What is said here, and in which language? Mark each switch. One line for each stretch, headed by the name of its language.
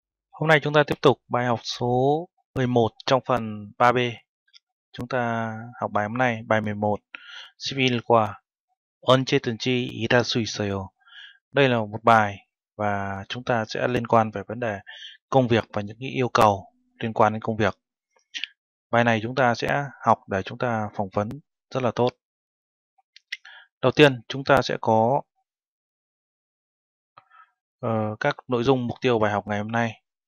Vietnamese: Hôm nay chúng ta tiếp tục bài học số 11 trong phần 3B. Chúng ta học bài hôm nay, bài 11.
Korean: 11과 언제든지 일할 수 있어요.
Vietnamese: Đây là một bài và chúng ta sẽ liên quan về vấn đề công việc và những yêu cầu liên quan đến công việc. Bài này chúng ta sẽ học để chúng ta phỏng vấn rất là tốt. Đầu tiên, chúng ta sẽ có các nội dung mục tiêu bài học ngày hôm nay.